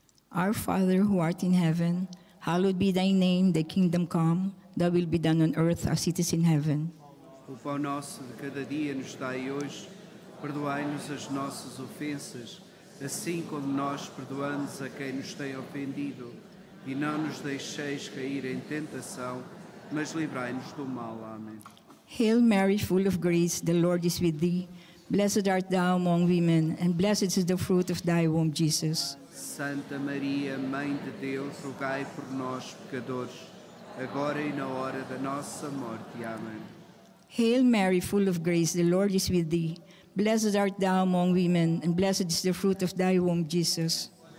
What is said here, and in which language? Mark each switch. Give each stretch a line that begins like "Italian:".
English: Our Father, who art in heaven, hallowed be thy name, thy kingdom come, thy will be done on earth as it is in heaven.
Portuguese: O pão nosso de cada dia nos dai hoje, perdoai-nos as nossas ofensas, assim como nós perdoamos a quem nos tem ofendido, e não nos deixeis cair em tentação, mas livrai-nos do mal. Amém.
English: Hail Mary, full of grace, the Lord is with thee. Blessed art thou among women, and blessed is the fruit of thy womb, Jesus.
Portuguese: Santa Maria, Mãe de Deus, rogai por nós, pecadores, agora e na hora da nossa morte. Amém.
English: Hail Mary, full of grace, the Lord is with thee. Blessed art thou among women, and blessed is the fruit of thy womb, Jesus.